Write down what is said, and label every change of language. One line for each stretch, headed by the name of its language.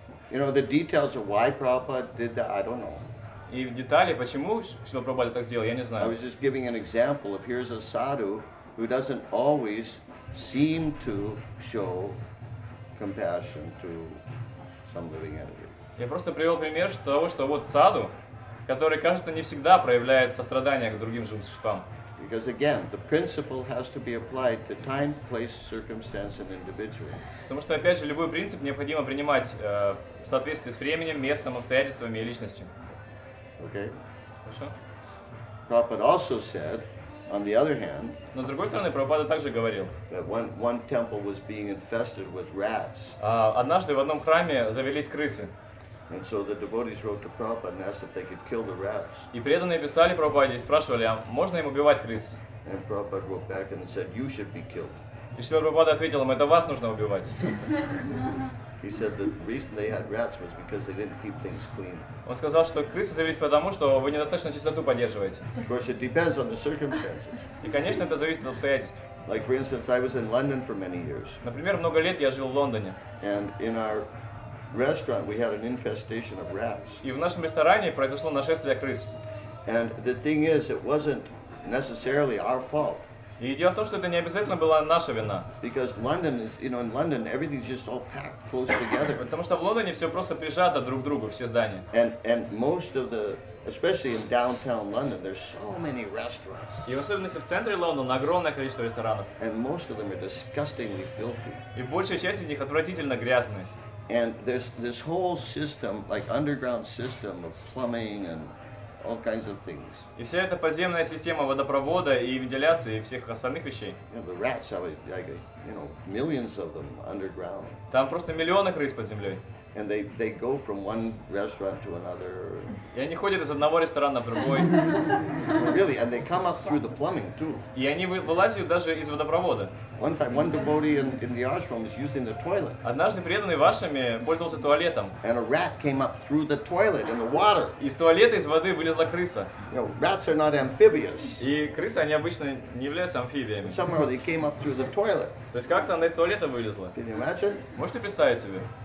English: You know, the details of why Prabhupada did that, I don't know.
Russian: И в детали, почему Шрила Прабхупада так сделал, я не знаю.
English: I was just giving an example of here's a sadhu who doesn't always seem to show compassion to some living entity.
Russian: Я просто привел пример того, что вот саду, который, кажется, не всегда проявляет сострадание к другим живым существам.
English: Because again, the principle has to be applied to time, place, circumstance, and individual.
Russian: Потому что, опять же, любой принцип необходимо принимать в соответствии с временем, местом, обстоятельствами и личностью.
English: Okay.
Russian: Хорошо.
English: Prabhupada also said, on the other hand,
Russian: но с другой стороны, Прабхупада также говорил,
English: that one temple was being infested with rats.
Russian: Однажды в одном храме завелись крысы.
English: And so the devotees wrote to Prabhupada and asked if they could kill the rats.
Russian: И преданные писали Прабхупаде и спрашивали, а можно им убивать крыс?
English: And Prabhupada wrote back and said, you should be killed.
Russian: И Шрила Прабхупада ответил им, это вас нужно убивать.
English: He said that the reason they had rats was because they didn't keep things clean.
Russian: Он сказал, что крысы завелись потому, что вы недостаточно чистоту поддерживаете.
English: Of course, it depends on the circumstances.
Russian: И, конечно, это зависит от обстоятельств.
English: Like, for instance, I was in London for many years.
Russian: Например, много лет я жил в Лондоне.
English: And in our restaurant, we had an infestation of rats.
Russian: И в нашем ресторане произошло нашествие крыс.
English: And the thing is, it wasn't necessarily our fault.
Russian: И дело в том, что это не обязательно была наша вина.
English: Because London is, you know, in London everything's just all packed close together.
Russian: Потому что в Лондоне все просто прижато друг к другу, все здания.
English: And most of the, especially in downtown London, there's so many restaurants.
Russian: И в особенности в центре Лондона огромное количество ресторанов.
English: And most of them are disgustingly filthy.
Russian: И большая часть из них отвратительно грязные.
English: And there's this whole system, like underground system of plumbing and all kinds of things.
Russian: И вся эта подземная система водопровода и вентиляции и всех остальных вещей.
English: You know, the rats are like, you know, millions of them underground.
Russian: Там просто миллионы крыс под землей.
English: And they go from one restaurant to another.
Russian: И они ходят из одного ресторана в другой.
English: Really, and they come up through the plumbing too.
Russian: И они вылазят даже из водопровода.
English: One time, one devotee in the ashram is using the toilet.
Russian: Однажды преданный в ашраме пользовался туалетом.
English: And a rat came up through the toilet in the water.
Russian: Из туалета, из воды вылезла крыса.
English: You know, rats are not amphibious.
Russian: И крысы, они обычно не являются амфибиями.
English: Somehow they came up through the toilet.
Russian: То есть как-то она из туалета вылезла.
English: Can you imagine?
Russian: Можете представить себе?